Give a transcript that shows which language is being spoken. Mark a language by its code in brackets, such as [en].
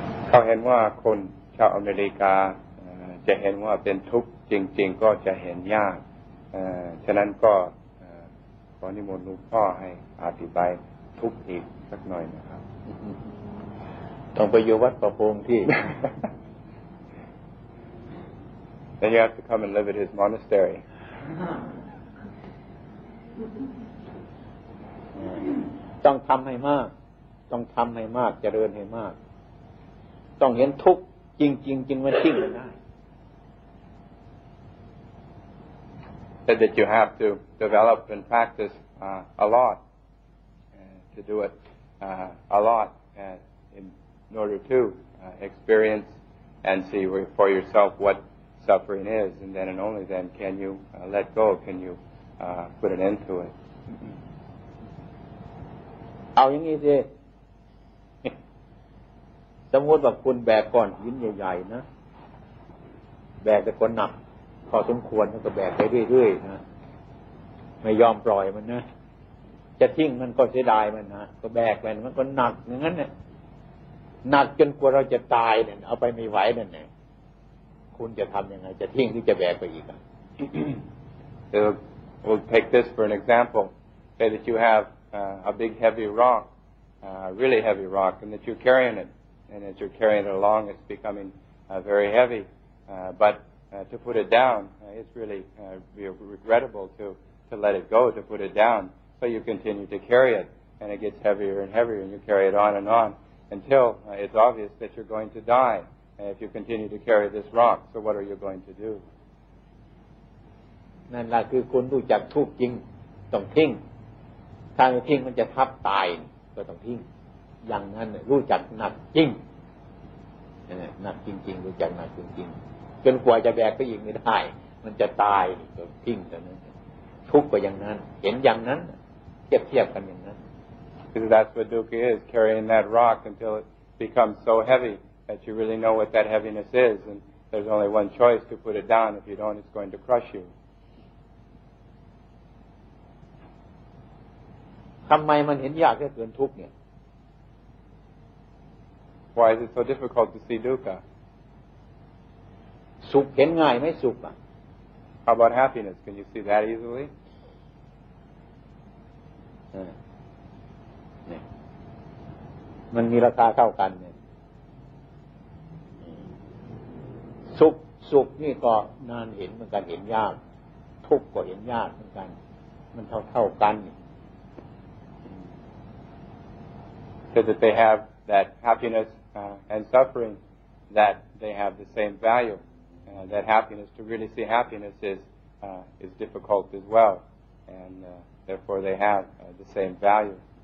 [th] เขาเห็นว่าคนชาวอเมริกาจะเห็นว่าเป็นทุกข์จริงๆก็จะเห็นยากฉะนั้นก็ขอนิมนต์หลวงพ่อให้อธิบายทุกข์อีกสักหน่อยนะครับ ต้องไปอยู่วัดประพงที่ [en] Then you have to come and live at his monastery [th] ต้องทำให้มากต้องทำให้มากเจริญให้มากต้องเห็นทุกข์จริงๆจึงมันทิ้ง ได้ [en] that you have to develop and practice a lot to do it a lot in order to experience and see for yourself what suffering is and then and only then can you let go can you put an end to it [th] เอาอย่างนี้สิสมมติว่าคุณแบกก้อนหินใหญ่ๆนะแบกแต่ก้อนหนักพอสมควรแล้วก็แบกไปเรื่อยๆนะไม่ยอมปล่อยมันนะจะทิ้งมันก็เสียดายมันนะก็แบกไปมันก็หนักอย่างนั้นเนี่ยหนักจนกว่าเราจะตายเนี่ยเอาไปไม่ไหวนั่นแหละคุณจะทำยังไงจะทิ้งหรือจะแบกไปอีกอ่ะ [en] we'll take this for an example say that you have a big heavy rock really heavy rock and that you're carrying itAnd as you're carrying it along, it's becoming very heavy. But to put it down, it's really regrettable to let it go, to put it down. So you continue to carry it, and it gets heavier and heavier, and you carry it on and on until it's obvious that you're going to die if you continue to carry this rock. So what are you going to do? [th] นั่นล่ะคือคุณรู้จักทุกข์จริงต้องทิ้งถ้าไม่ทิ้งมันจะทับตายก็ต้องทิ้งอย่างนั้นรู้จักหนักจริงหนักจริงๆรู้จักหนักจริงๆจนกว่าจะแบกไปอีกไม่ได้มันจะตายก็ทิ้งแต่นั้นทุกข์ก็อย่างนั้นเห็นอย่างนั้นเทียบๆกันอย่างนั้น [en] Because that's what dukkha is, carrying that rock until it becomes so heavy that you really know what that heaviness is and there's only one choice to put it down if you don't it's going to crush you [th] ทำไมมันเห็นยากแค่เกินทุกข์เนี่ย [en] Why is it so difficult to see dukkha? [th] สุขเห็นง่ายไหมสุขอ่ะ [en] How about happiness? Can you see that easily? [th] มันมีราคาเท่ากันเนี่ยสุขนี่ก็นานเห็นเหมือนกันเห็นยากทุกข์ก็เห็นยากเหมือนกันมันเท่ากันเนี่ย [en] Because that they have that happinessand suffering, that they have the same value. That happiness, to really see happiness is difficult as well. And therefore they have the same value.